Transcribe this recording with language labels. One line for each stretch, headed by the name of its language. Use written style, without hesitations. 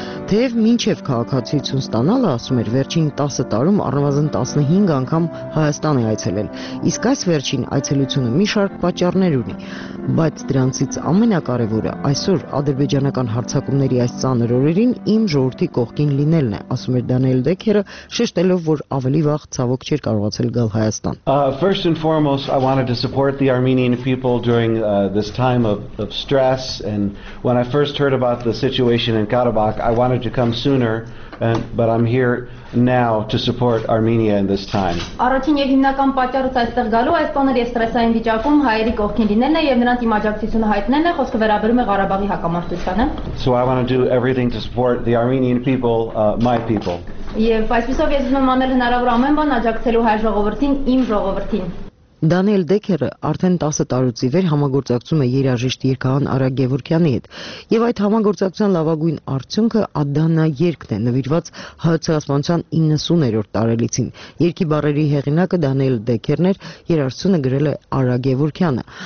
Armenian: Թեև մինչև քաղաքացիություն ստանալը, ասում էր, վերջին 10 տարում առնվազն 15 անգամ Հայաստան է այցելել, իսկ այս վերջին այցելությունը մի շարք պատճառներ ունի, բայց դրանցից ամենակարևորը այսօր ադրբեջանական հարձակումների այս ծանր օրերին իմ ժողովրդի կողքին լինելն է, ասում էր Դանիել Դեքերը, շեշտելով, որ ավելի վաղ ցավոք չէր կարողացել գալ Հայաստան։
English: First and foremost, I wanted to support the Armenian people during this time of stress, and when I first heard about the situation in Karabakh, I wanted to come sooner, but I'm here now to support Armenia in this time.
Armenian: Առաջին եւ հիմնական պատճառը այստեղ գալու այս բաներ եւ ստրեսային վիճակում հայերի կողքին լինելն է եւ նրանց իմաճակցությունը հայտնելն է, խոսքը վերաբերում է Ղարաբաղի հակամարտությանը.
English: So I want to do everything to support the Armenian people, my people.
Armenian: Եվ այսպեսով ես ուզում եմ անել հնարավոր ամեն բան աջակցելու հայ ժողովրդին, իմ ժողովրդին։ Դանիել Դեքերը արդեն 10 տարուց ի վեր համագործակցում է երաժիշտ երգահան Արա Գևորգյանի հետ, եւ այդ համագործակցության լավագույն արդյունքը Ադանա երգն է, նվիրված հայցասպանության 90-երորդ տարելիցին։ Երգի բառերի հեղինակը Դանիել Դեքերն էր, երաժշտությունը գրել է Արա Գևորգյանը։